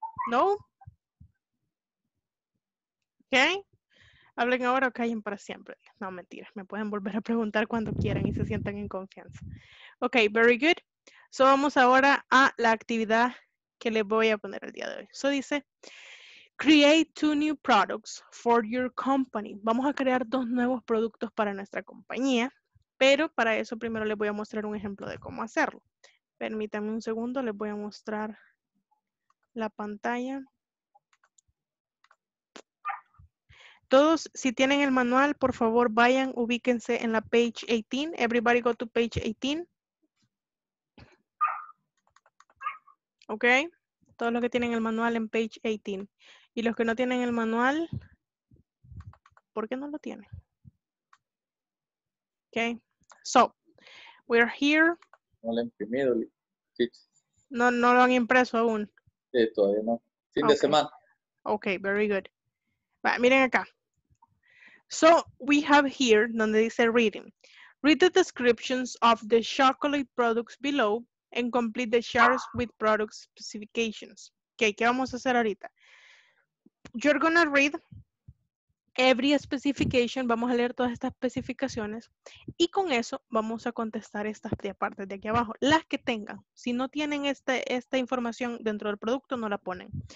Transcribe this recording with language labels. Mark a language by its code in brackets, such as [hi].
[es] No? Ok. Hablen ahora o callen para siempre. No, mentira. Me pueden volver a preguntar cuando quieran y se sientan en confianza. Ok, [en] very good. [es] So, vamos ahora a la actividad que les voy a poner el día de hoy. [en] So, dice, create two new products for your company. [es] Vamos a crear dos nuevos productos para nuestra compañía. Pero para eso primero les voy a mostrar un ejemplo de cómo hacerlo. Permítanme un segundo, les voy a mostrar la pantalla. Todos, si tienen el manual, por favor vayan, ubíquense en la page 18. [en] Everybody go to page 18. [es] Ok, todos los que tienen el manual en page 18. Y los que no tienen el manual, ¿por qué no lo tienen? [en] Ok. So, we are here. [es] No lo han imprimido. No, no lo han impreso aún. Sí, todavía no. Fin de semana. [en] Okay, very good. But, [es] miren acá. [en] So, we have here, [es] donde dice [en] reading. Read the descriptions of the chocolate products below and complete the charts with product specifications. [es] Okay, ¿qué vamos a hacer ahorita? [en] You're gonna read every specification, [es] vamos a leer todas estas especificaciones y con eso vamos a contestar estas tres partes de aquí abajo, las que tengan. Si no tienen esta información dentro del producto, no la ponen.